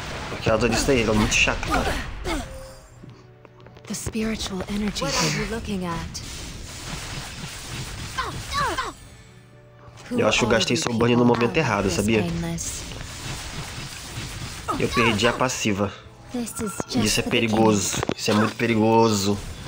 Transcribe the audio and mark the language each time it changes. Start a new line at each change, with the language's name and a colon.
Portuguese: Por causa disso aí, ele é muito chato, cara.
English: The spiritual energy you're looking at.
Portuguese: Eu acho que eu gastei Soulburn no momento errado, sabia? Eu perdi a passiva. Isso é perigoso. Isso é muito perigoso.